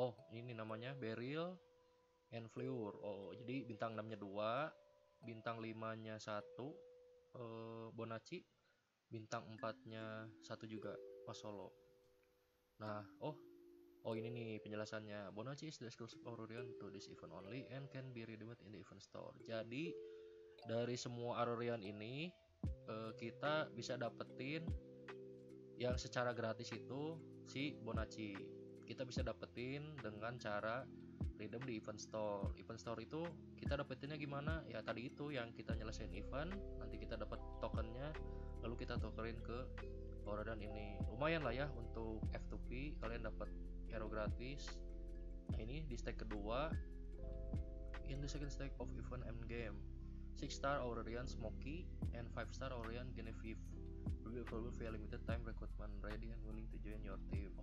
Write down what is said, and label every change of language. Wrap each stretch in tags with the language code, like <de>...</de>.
<id>Oh, ini namanya Beryl and Fleur. Oh, jadi bintang 6-nya 2, bintang 5-nya 1 Bonacci, bintang 4-nya 1 juga Mas Solo. Nah, oh ini nih penjelasannya.</id> <en>Bonacci is the exclusive Aurorian to this event only and can be redeemed in the event store.</en> <id>Jadi dari semua Aurorian ini kita bisa dapetin yang secara gratis itu si Bonacci. Kita bisa dapetin dengan cara redeem di event store. Event store itu kita dapetinnya gimana? Ya tadi itu yang kita nyelesain event, nanti kita dapat tokennya, lalu kita tokerin ke Aurorian ini. Lumayan lah ya untuk F2P, kalian dapat hero gratis. Nah ini di stage kedua,</id> <en>in the second stage of event end game. 6-star Aurorian Smoky and 5-star Aurorian Genevieve will be available via limited time recruitment, ready and willing to join your team.</en>